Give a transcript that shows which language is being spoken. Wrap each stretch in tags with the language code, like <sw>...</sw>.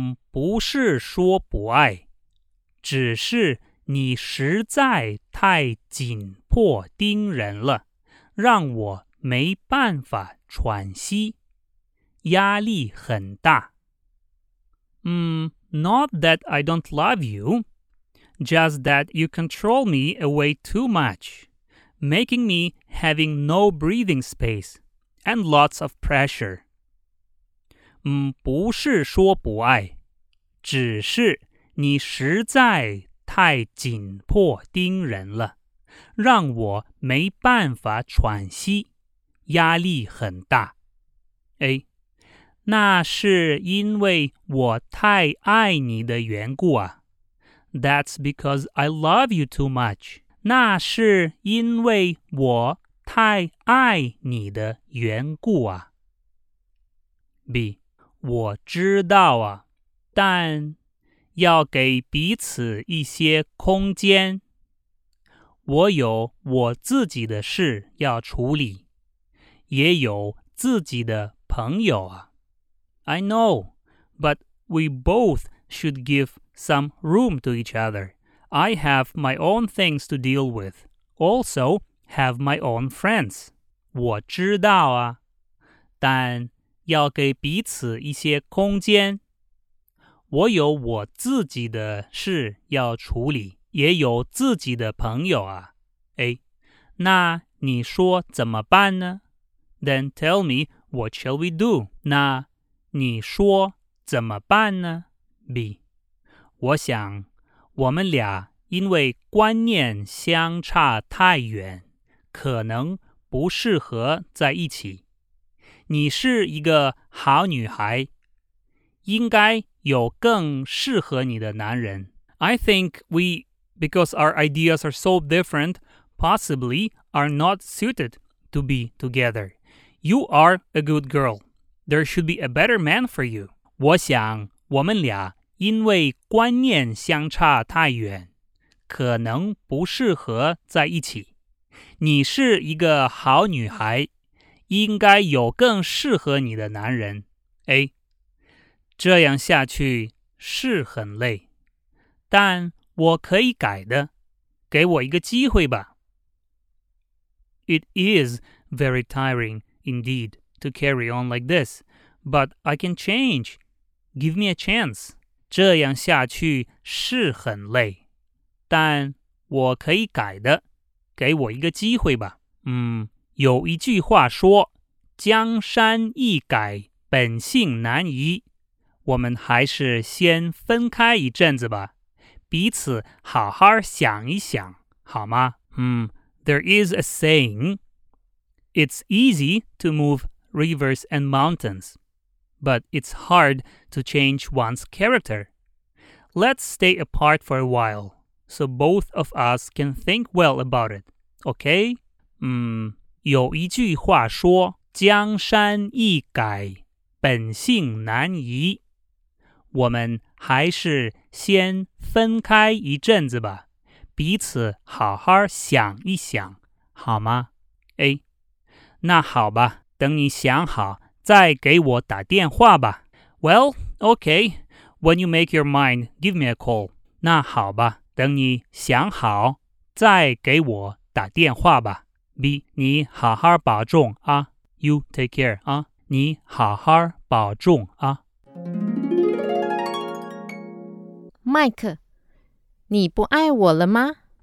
<zh>不是说不爱，只是你实在太紧迫盯人了，让我没办法喘息，压力很大。</zh> <en>Not that I don't love you, just that you control me away too much, making me having no breathing space and lots of pressure.</en> <zh>不是说不爱，只是你实在太紧迫盯人了，让我没办法喘息，压力很大。 A. 那是因为我太爱你的缘故啊。</zh> <en>That's because I love you too much.</en> <zh>那是因为我太爱你的缘故啊。 B. 我知道啊，但要给彼此一些空间。我有我自己的事要处理，也有自己的朋友啊。</zh> <en>I know, but we both should give some room to each other. I have my own things to deal with. Also, have my own friends.</en> <zh>我知道啊，但要给彼此一些空间。我有我自己的事要处理，也有自己的朋友啊。 A. 那你说怎么办呢？</zh> <en>Then tell me, what shall we do?</en> <zh>那你说怎么办呢？ B. 我想我们俩因为观念相差太远，可能不适合在一起。你是一个好女孩，应该有更适合你的男人。</zh> <en>I think we, because our ideas are so different, possibly are not suited to be together. You are a good girl. There should be a better man for you.</en> <zh>我想我们俩因为观念相差太远，可能不适合在一起。你是一个好女孩，应该有更适合你的男人。 A. 这样下去是很累，但我可以改的，给我一个机会吧。</zh> <en>It is very tiring indeed to carry on like this, but I can change. Give me a chance.</en> <zh>这样下去是很累，但我可以改的，给我一个机会吧。有一句话说，江山易改，本性难移。我们还是先分开一阵子吧，彼此好好想一想，好吗？</zh> <en>There is a saying, it's easy to move rivers and mountains, but it's hard to change one's character. Let's stay apart for a while, so both of us can think well about it, okay?</en> <zh>有一句话说，江山易改，本性难移。我们还是先分开一阵子吧，彼此好好想一想，好吗？ A. 那好吧，等你想好，再给我打电话吧。</zh> <en>Well, okay. When you make your mind, give me a call.</en> <zh>那好吧，等你想好，再给我打电话吧。 B. 你好好保重啊。</zh> <en>You take care 啊。</en> <zh>你好好保重啊。麦克，你不爱我了吗？</zh>